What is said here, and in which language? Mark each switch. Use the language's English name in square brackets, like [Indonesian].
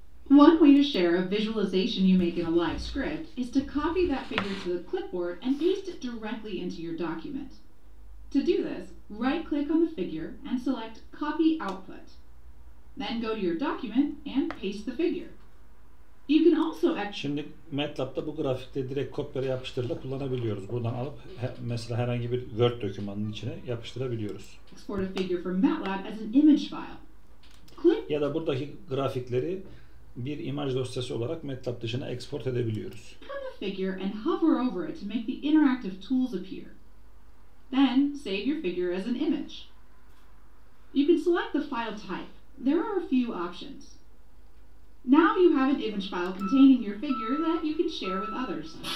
[English] One way to share a visualization you make in a live script is to copy that figure to the clipboard and paste it directly into your document. To do this, right-click on the figure and select Copy Output. Then go to your document and paste the figure. You can also [Turkish] Şimdi MATLAB'da bu grafikte direkt kopyala yapıştırıla kullanabiliyoruz. Buradan alıp mesela herhangi bir Word dokümanının içine yapıştırabiliyoruz. [English] Export a figure from MATLAB as an image file. Click [Turkish] ya da buradaki grafikleri bir imaj dosyası olarak MATLAB dışına export edebiliyoruz. [English] Click the figure and hover over it to make the interactive tools appear. Then save your figure as an image. You can select the file type. There are a few options. Now you have an image file containing your figure that you can share with others.